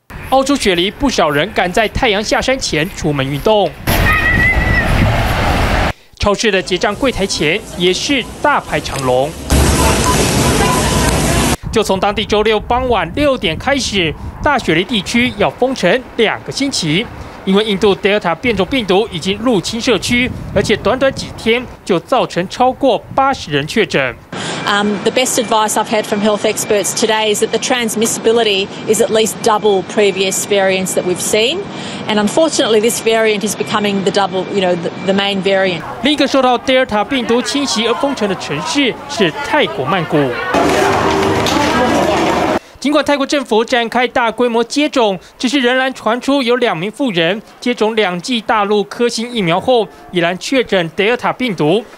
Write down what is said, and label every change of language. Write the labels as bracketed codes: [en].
[zh] 澳洲雪梨不少人赶在太阳下山前出门运动，超市的结账柜台前也是大排长龙。就从当地周六傍晚6点开始，大雪梨地区要封城2个星期，因为印度 Delta 变种病毒已经入侵社区，而且短短几天就造成超过80人确诊。 [en] The best advice I've had from health experts today is that the transmissibility is at least double previous variants that we've seen, and unfortunately, this variant is becoming the main variant. [zh] 另一个受到 Delta 病毒侵袭而封城的城市是泰国曼谷。尽管泰国政府展开大规模接种，只是仍然传出有2名妇人接种2剂大陆科兴疫苗后已然确诊 Delta 病毒。